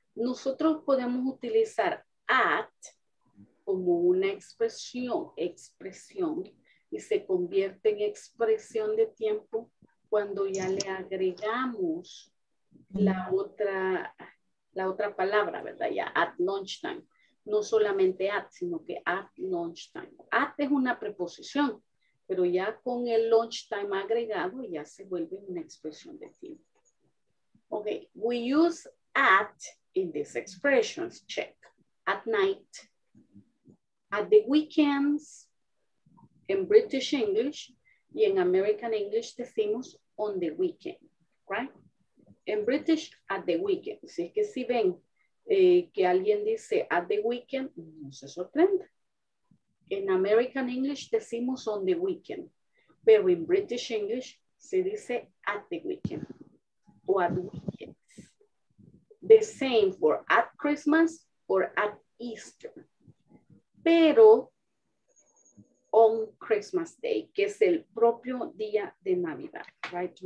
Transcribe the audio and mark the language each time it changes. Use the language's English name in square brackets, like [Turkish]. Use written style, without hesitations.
[Spanish] Nosotros podemos utilizar at como una expresión y se convierte en expresión de tiempo cuando ya le agregamos la otra palabra, ¿verdad? Ya, at lunchtime. No solamente at, sino que at lunchtime. At es una preposición. Pero ya con el lunch time agregado, ya se vuelve una expresión de tiempo. [English] Okay, we use at in these expressions. Check. At night, at the weekends, in British English, y en American English decimos on the weekend, right? In British, at the weekend. [Spanish] Si es que si ven que alguien dice at the weekend, no se sorprende. [English] In American English decimos on the weekend, pero in British English se dice at the weekend o at weekends. The same for at Christmas or at Easter. [Spanish] Pero on Christmas Day, que es el propio día de Navidad, right?